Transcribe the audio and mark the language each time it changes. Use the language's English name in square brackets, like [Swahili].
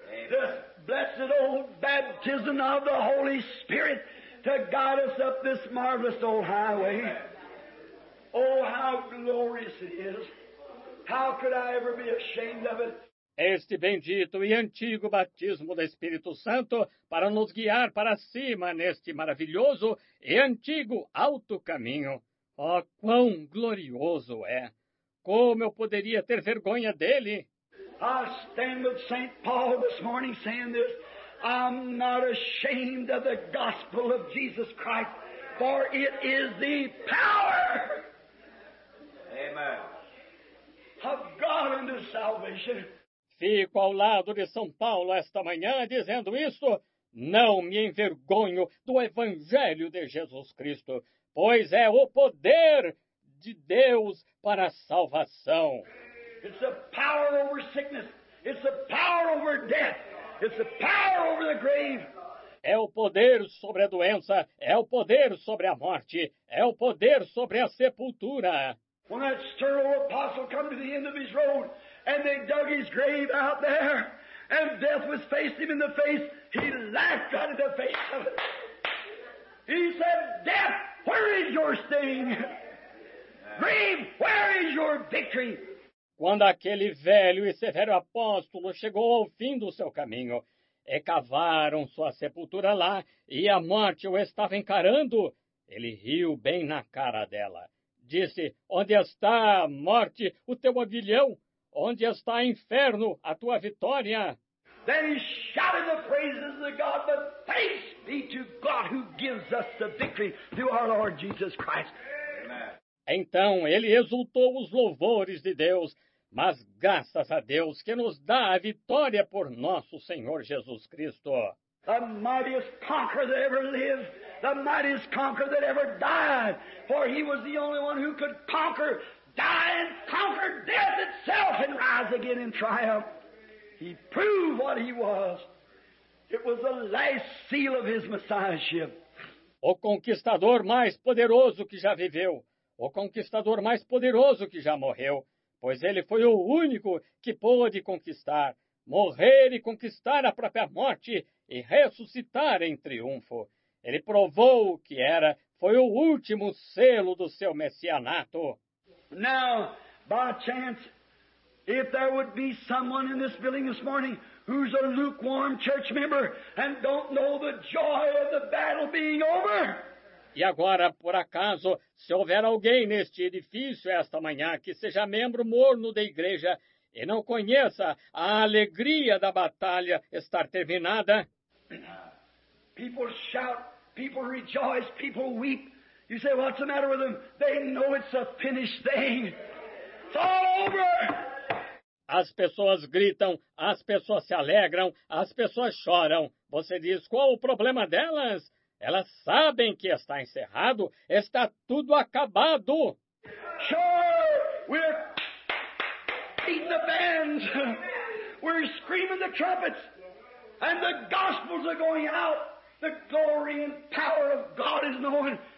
[English] The blessed old baptism of the Holy Spirit to guide us up this marvelous old highway. Oh, how glorious it is! How could I ever be ashamed of it? [Portuguese] Este bendito e antigo batismo do Espírito Santo para nos guiar para cima neste maravilhoso e antigo alto caminho. Oh, quão glorioso é! Como eu poderia ter vergonha dele? [English] I stand with St. Paul this morning saying this. I'm not ashamed of the gospel of Jesus Christ, for it is the power. Amen. Of God unto salvation. [Portuguese] Fico ao lado de São Paulo esta manhã dizendo isso. Não me envergonho do Evangelho de Jesus Cristo, pois é o poder de Deus para a salvação. [English] It's the power over sickness. It's the power over death. It's the power over the grave. [Portuguese] É o poder sobre a doença. É o poder sobre a morte. É o poder sobre a sepultura. [English] When that stern old apostle come to the end of his road, and they dug his grave out there, and death was facing him in the face, he laughed out of the face of it. He said, death, where is your sting? Grave, where is your victory? [Portuguese] Quando aquele velho e severo apóstolo chegou ao fim do seu caminho, e cavaram sua sepultura lá, e a morte o estava encarando, ele riu bem na cara dela. Disse, onde está, morte, o teu aguilhão? Onde está, inferno, a tua vitória? [English] Then he shouted the praises of God, but thanks be to God who gives us the victory through our Lord Jesus Christ. Amen. [Portuguese] Então ele exultou os louvores de Deus, mas graças a Deus que nos dá a vitória por nosso Senhor Jesus Cristo. [English] The mightiest conqueror that ever lived, the mightiest conqueror that ever died, for he was the only one who could conquer, die and conquer death itself and rise again in triumph. He proved what he was. It was the last seal of his messiahship. [Portuguese] O conquistador mais poderoso que já viveu, o conquistador mais poderoso que já morreu, pois ele foi o único que pôde conquistar, morrer e conquistar a própria morte e ressuscitar em triunfo. Ele provou o que era, foi o último selo do seu messianato. [English] Now, by chance, if there would be someone in this building this morning who's a lukewarm church member and don't know the joy of the battle being over. [Portuguese] E agora, por acaso, se houver alguém neste edifício esta manhã que seja membro morno da igreja e não conheça a alegria da batalha estar terminada. [English] People shout, people rejoice, people weep. You say, what's the matter with them? They know it's a finished thing. It's all over. [Portuguese] As pessoas gritam, as pessoas se alegram, as pessoas choram. Você diz, qual o problema delas? Elas sabem que está encerrado, está tudo acabado. [English] Sure, we're beating the bands. We're screaming the trumpets. And the gospels are going out. The glory and power of God is known.